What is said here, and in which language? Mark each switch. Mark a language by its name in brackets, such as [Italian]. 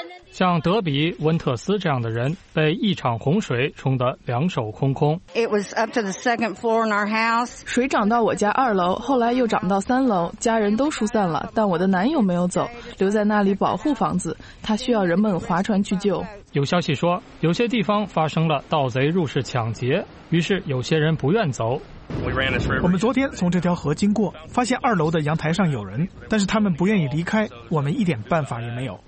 [Chinese] 像德比·温特斯这样的人被一场洪水冲得两手空空。 [English] It was up to the second floor in our house. [Chinese] 水涨到我家二楼，后来又涨到三楼，家人都疏散了，但我的男友没有走，留在那里保护房子，他需要人们划船去救。有消息说，有些地方发生了盗贼入室抢劫，于是有些人不愿走。我们昨天从这条河经过，发现二楼的阳台上有人，但是他们不愿意离开，我们一点办法也没有。